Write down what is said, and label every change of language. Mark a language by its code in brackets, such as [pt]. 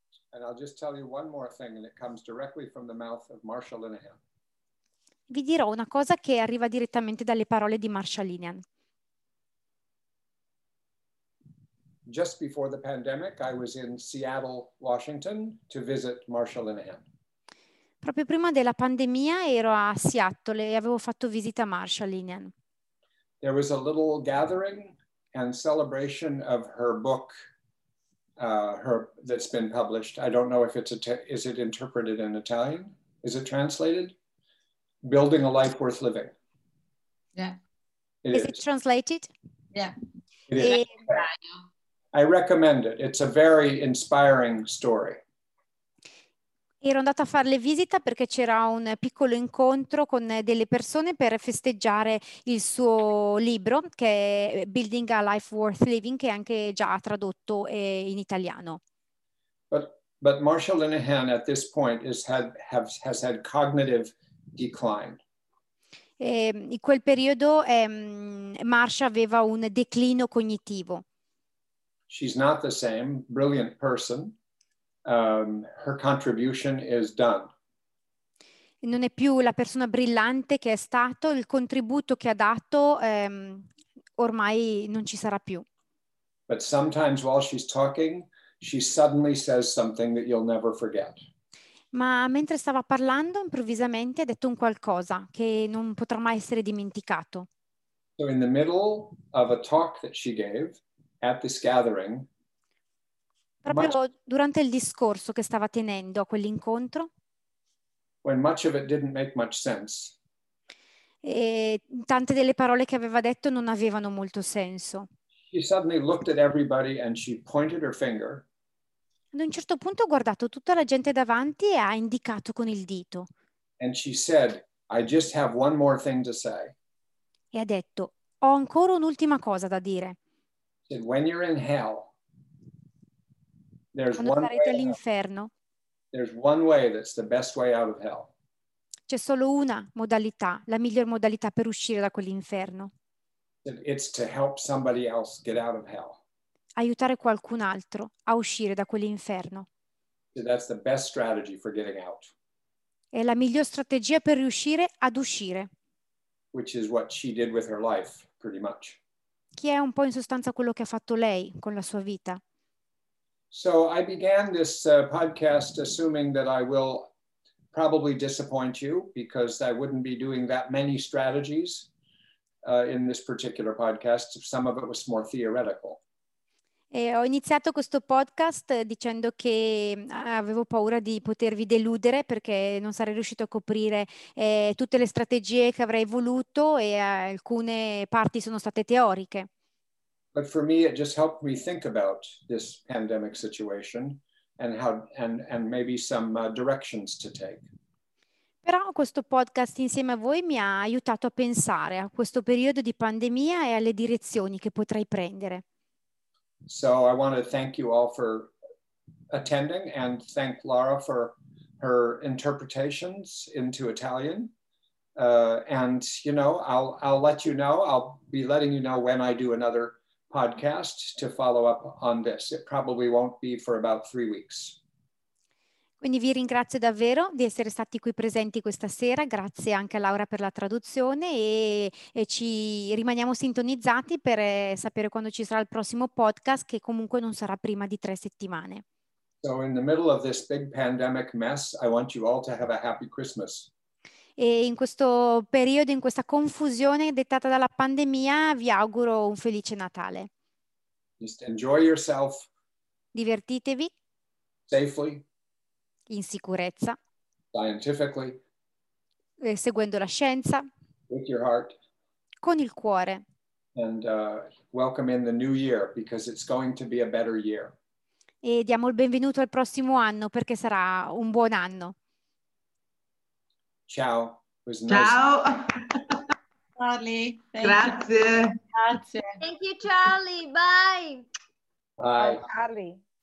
[en] And I'll just tell you one more thing, and it comes directly from the mouth of Marsha Linehan. [it] Vi dirò una cosa che arriva direttamente dalle parole di Marsha Linehan. [en] Just before the pandemic, I was in Seattle, Washington, to visit Marsha Linehan. [it] Proprio prima della pandemia ero a Seattle e avevo fatto visita a Marsha Linehan. [en] There was a little gathering and celebration of her book, that's been published. I don't know if it's is it interpreted in Italian? Is it translated? Building a Life Worth Living. Yeah. Is it translated? Yeah. It is. I recommend it. It's a very inspiring story. [it] Ero andata a farle visita perché c'era un piccolo incontro con delle persone per festeggiare il suo libro, che è Building a Life Worth Living, che è anche già tradotto in italiano. [en] But Marsha Linehan at this point has had cognitive decline. [it] In quel periodo Marsha aveva un declino cognitivo. [en] She's not the same, brilliant person. Her contribution is done. [it] Non è più la persona brillante che è stato, il contributo che ha dato ormai non ci sarà più. [en] But sometimes while she's talking, she suddenly says something that you'll never forget. [it] Ma mentre stava parlando, improvvisamente ha detto un qualcosa che non potrà mai essere dimenticato. [en] So in the middle of a talk that she gave at this gathering, [it] proprio durante il discorso che stava tenendo a quell'incontro, [en] when much of it didn't make much sense, [it] e tante delle parole che aveva detto non avevano molto senso, [en] she suddenly looked at everybody and she pointed her finger. [it] Ad un certo punto ha guardato tutta la gente davanti e ha indicato con il dito. [en] And she said, I just have one more thing to say. [it] E ha detto, ho ancora un'ultima cosa da dire. [en] Said, when you're in hell, there's one way that's the best way out of hell. [it] C'è solo una modalità, la miglior modalità per uscire da quell'inferno. [en] It's to help somebody else get out of hell. [it] Aiutare qualcun altro a uscire da quell'inferno. [en] So that's the best strategy for getting out. [it] È la miglior strategia per riuscire ad uscire. [en] Which is what she did with her life, pretty much. [it] Che è un po' in sostanza quello che ha fatto lei con la sua vita. [en] So I began this podcast assuming that I will probably disappoint you because I wouldn't be doing that many strategies in this particular podcast. Some of it was more theoretical. [it] E ho iniziato questo podcast dicendo che avevo paura di potervi deludere perché non sarei riuscito a coprire tutte le strategie che avrei voluto e alcune parti sono state teoriche. [en] But for me it just helped me think about this pandemic situation and how and maybe some directions to take. [it] Però questo podcast insieme a voi mi ha aiutato a pensare a questo periodo di pandemia e alle direzioni che potrei prendere. [en] So I want to thank you all for attending and thank Laura for her interpretations into Italian. And, you know, I'll let you know, I'll be letting you know when I do another podcast to follow up on this. It probably won't be for about 3 weeks. [it] Quindi vi ringrazio davvero di essere stati qui presenti questa sera. Grazie anche a Laura per la traduzione e ci rimaniamo sintonizzati per sapere quando ci sarà il prossimo podcast, che comunque non sarà prima di 3 settimane. [en] So in the middle of this big pandemic mess, I want you all to have a happy Christmas. [it] E in questo periodo, in questa confusione dettata dalla pandemia, vi auguro un felice Natale. [en] Just enjoy yourself. [it] Divertitevi. [en] Safely. [it] In sicurezza, [en] scientifically, [it] seguendo la scienza, [en] with your heart, [it] con il cuore, [en] and welcome in the new year because it's going to be a better year. [it] E diamo il benvenuto al prossimo anno perché sarà un buon anno. [en] Ciao. It was [it] ciao. [en] Nice. Charlie, [it] grazie. Grazie. [en] Thank you, Charlie. Bye. Bye. Charlie.